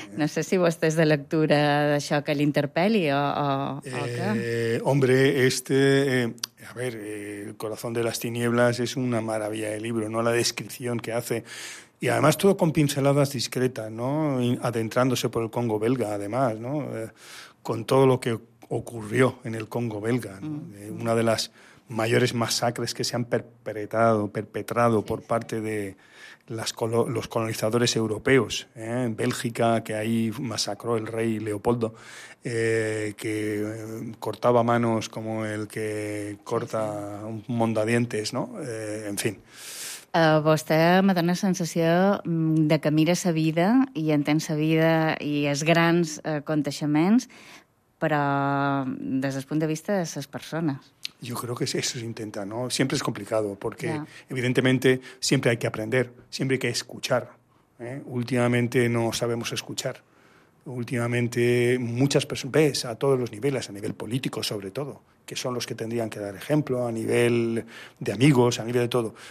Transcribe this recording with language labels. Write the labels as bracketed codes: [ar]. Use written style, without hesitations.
[ca] No sé si vostè és de lectura d'això que l'interpel·li o què. [es] Hombre, este... A ver, El corazón de las tinieblas es una maravilla de libro, ¿no? La descripción que hace Y además todo con pinceladas discretas, ¿no? Adentrándose por el Congo belga, además, ¿no? Con todo lo que ocurrió en el Congo belga, ¿no? Una de las mayores masacres que se han perpetrado por parte de los colonizadores europeos, ¿eh? En Bélgica, que ahí masacró el rey Leopoldo, que cortaba manos como el que corta un mondadientes, ¿no? En fin. [ca] Vostè me dona sensació de que mira sa vida i entén sa vida i els grans aconteixements, però des del punt de vista de ses persones. [es] Yo creo que eso se intenta, ¿no? Siempre es complicado porque, evidentemente, siempre hay que aprender, siempre hay que escuchar, ¿eh? Últimamente no sabemos escuchar. Últimamente muchas personas, ves, a todos los niveles, a nivel político sobre todo, que son los que tendrían que dar ejemplo, a nivel de amigos, a nivel de todo.